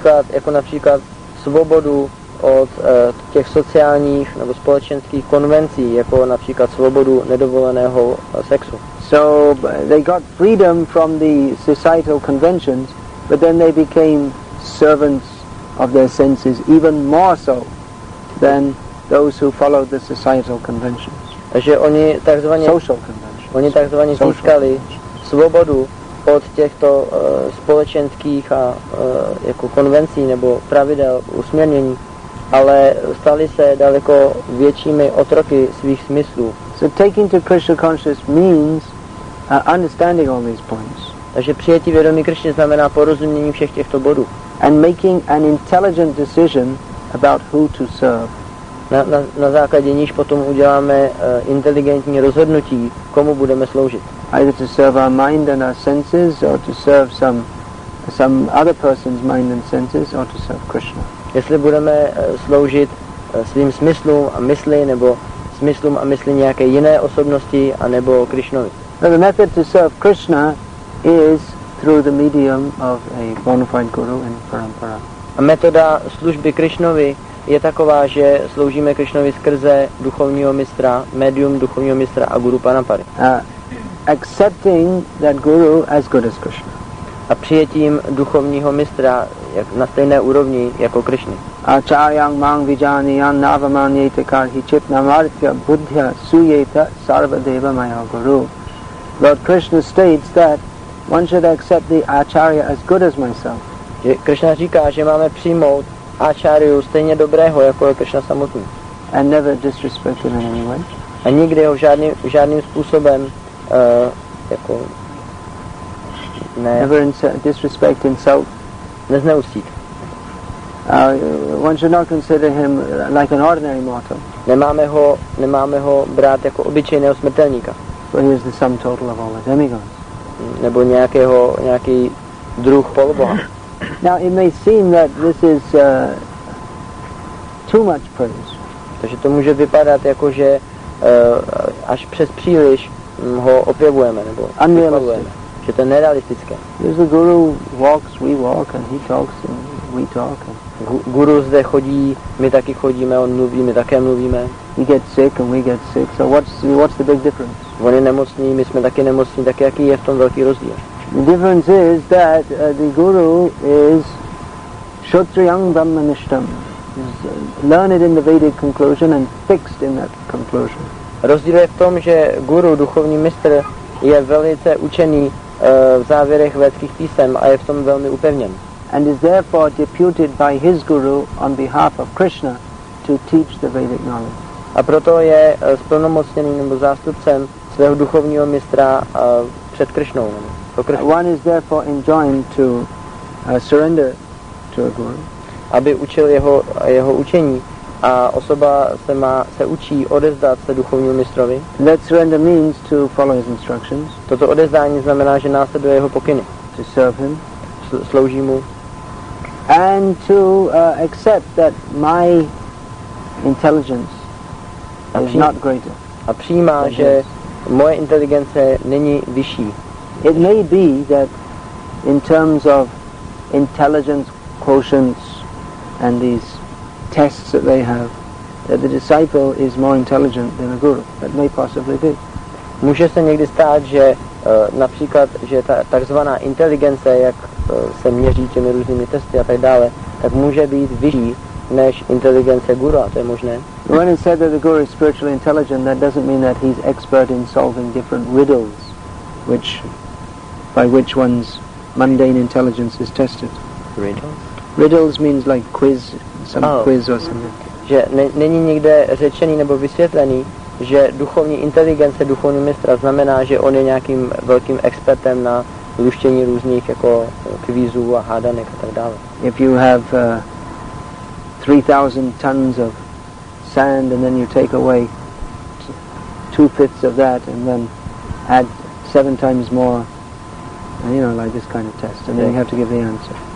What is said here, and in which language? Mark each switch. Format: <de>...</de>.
<cs>Jako například svobodu od těch sociálních nebo společenských konvencí, jako například svobodu nedovoleného sexu.</cs> <en>So they got freedom from the societal conventions, but then they became servants of their senses even more so than those who followed the societal conventions.</en> <cs>Takže oni takzvaně</cs> <en>social conventions.</en> <cs>Oni takzvaně získali svobodu od těchto společenských a jako konvencí nebo pravidel usměrnění, ale stali se daleko většími otroky svých smyslů.</cs> <en>So taking to Krishna consciousness means understanding all these points.</en> <cs>Takže přijetí vědomí Krishny znamená porozumění všech těchto bodů.</cs> <en>And making an intelligent decision about who to serve.</en> <cs>Na základě níž potom uděláme inteligentní rozhodnutí, komu budeme sloužit.</cs> <en>Either to serve our mind and our senses, or to serve some other person's mind and senses, or to serve Krishna.</en> <cs>Jestli budeme sloužit svým smyslům a mysli, nebo smyslům a mysli nějaké jiné osobnosti, anebo Krishnovi.</cs> <en>Now the method to serve Krishna is through the medium of a bona fide guru in parampara.</en> <cs>A metoda služby Krishnovi je taková, že sloužíme Krishnovi skrze duchovního mistra, medium duchovního mistra a guru parampary.</cs> <en>Accepting that guru as good as Krishna.</en> <cs>a přijetím duchovního mistra jak na stejné úrovni jako Krišny.</cs> <sa>Acharyang mang vijani yan navamanyete kalhi chit namartya buddhya suyeta sarvadeva maya guru.</sa> <en>Lord Krishna states that one should accept the acharya as good as myself.</en> <cs>Krishna říká, že máme přijmout acharyu stejně dobrého jako je Krishna samotný.</cs> <en>And never disrespect him in any way.</en> <cs>A nikdy ho žádným způsobem jako ne.</cs> <en>Never disrespect, insult.</en> <cs>Nezneustít.</cs> <en>One should not consider him like an ordinary mortal.</en> <cs>Nemáme ho brát jako obyčejného smrtelníka.</cs> <en>For he is the sum total of all the demigods.</en> <cs>Nebo nějaký druh poloboha.</cs> <en>Now it may seem that this is too much praise.</en> <cs>Takže to může vypadat jako, že až přes příliš ho opěvujeme nebo vypavujeme, že to je nerealistické.</cs> <en>There's a guru walks, we walk, and he talks, and we talk. And</en> <cs>guru zde chodí, my taky chodíme, on mluví, my také mluvíme.</cs> <en>He gets sick, and we get sick, so what's the big difference?</en> <cs>On je nemocný, my jsme taky nemocní, tak jaký je v tom velký rozdíl?</cs> <en>The difference is that the guru is Kshatriyang Brahmanishtam. Is learned in the Vedic conclusion and fixed in that conclusion.</en> <cs>Rozdíl je v tom, že guru, duchovní mistr, je velice učený v závěrech vedských písem a je v tom velmi upevněn.</cs> <en>And is therefore deputed by his guru on behalf of Krishna to teach the Vedic knowledge.</en> <cs>A proto je splnomocněný nebo zástupcem svého duchovního mistra před Krishnou.</cs> <en>One is therefore enjoined to surrender to a guru.</en> <cs>Aby učil jeho učení, a osoba se učí odevzdat se duchovnímu mistrovi.</cs> <en>That surrender means to follow his instructions.</en> <cs>Toto odevzdání znamená, že následuje jeho pokyny.</cs> <en>To serve him.</en> <cs>Slouží mu.</cs> <en>And to accept that my intelligence is not greater.</en> <cs>A přijímá, že moje inteligence není vyšší.</cs> <en>It may be that in terms of intelligence quotients and these tests that they have, that the disciple is more intelligent than a guru. That may possibly be.</en> <cs>Může se někdy stát, že například, že ta takzvaná inteligence, jak se měří těmi různými testy a tak dále, tak může být vyšší než inteligence guru, to je možné.</cs> <en>When it's said that the guru is spiritually intelligent, that doesn't mean that he's expert in solving different riddles by which one's mundane intelligence is tested. Riddles means like quiz, quiz or something.</en> <cs>Že není nikde řečený nebo vysvětlený, že duchovní inteligence duchovního mistra znamená, že on je nějakým velkým expertem na luštění různých jako kvízů a hádanek a tak dále.</cs> <en>If you have 3,000 tons of sand and then you take away 2/5 of that and then add 7 times more, you know, like this kind of test, and then you have to give the answer.</en>